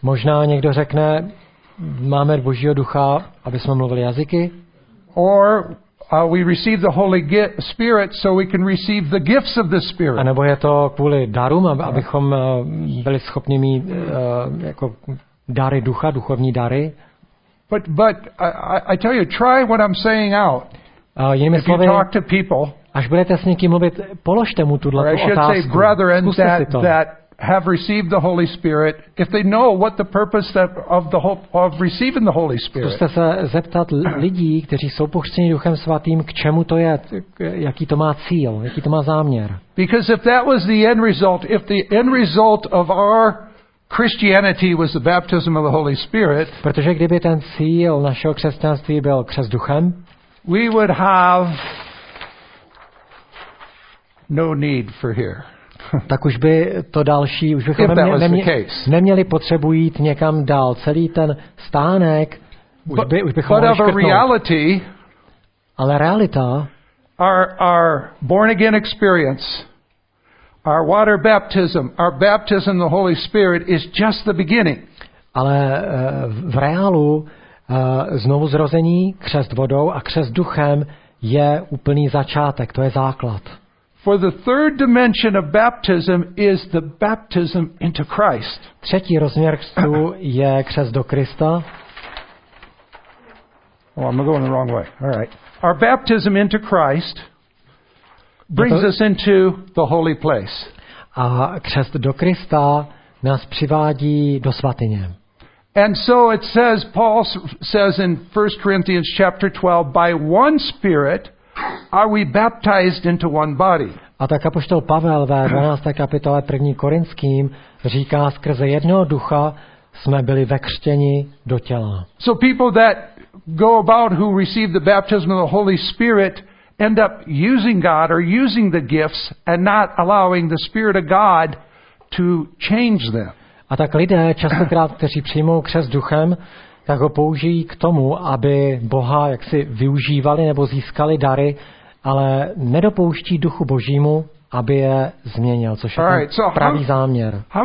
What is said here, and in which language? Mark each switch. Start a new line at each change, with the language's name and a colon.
Czech: Možná někdo řekne, máme Božího ducha, aby jsme mluvili jazyky.
English: Or we receive the Holy Spirit so we can receive the gifts of the Spirit.
Czech: A nebo je to kvůli darům, abychom byli schopni mít jako dary ducha, duchovní dary.
English: But I tell you, try what I'm saying out.
Czech: Jinými slovy,
English: if you talk to people,
Czech: až budete s někým mluvit, položte mu tuhle otázku.
English: Say brethren that have received the Holy Spirit, if they know what the purpose that of the hope of receiving the Holy Spirit.
Czech: Zkuste se zeptat lidí, kteří jsou pochřtěni Duchem Svatým, k čemu to je, jaký to má cíl, jaký to má záměr.
English: Because if that was the end result, if the end result of our Christianity was the baptism of the Holy Spirit,
Czech: protože kdyby ten cíl našeho křesťanství byl křest duchem,
English: we would have no need for here.
Czech: Tak už by to další, už bychom neměli potřebu jít někam dál. Celý ten stánek už bychom mohli škrtnout.
English: Reality,
Czech: ale realita,
English: our born again experience, our water baptism, our baptism the Holy Spirit is just the beginning.
Czech: Ale v reálu znovu zrození, křest vodou a křest duchem je úplný začátek, to je základ.
English: For the third dimension of baptism is the baptism into Christ.
Czech: Třetí rozměr křtu je křest do Krista.
English: Oh, I'm going the wrong way. All right. Our baptism into Christ brings us into the holy place.
Czech: A křest do Krista nás přivádí do svatyně.
English: And so it says, Paul says in 1 Corinthians chapter 12, by one Spirit are we baptized into one body?
Czech: A tak apoštol Pavel ve 12. kapitole 1. Korinským říká, skrze jednoho ducha jsme byli vekřtěni do těla.
English: So people that go about who receive the baptism of the Holy Spirit end up using God or using the gifts and not allowing the Spirit of God to change them.
Czech: A tak lidé častokrát, kteří přijmou křest duchem, tak ho použijí k tomu, aby Boha jaksi využívali nebo získali dary, ale nedopouští Duchu Božímu, aby je změnil, což je ten pravý záměr.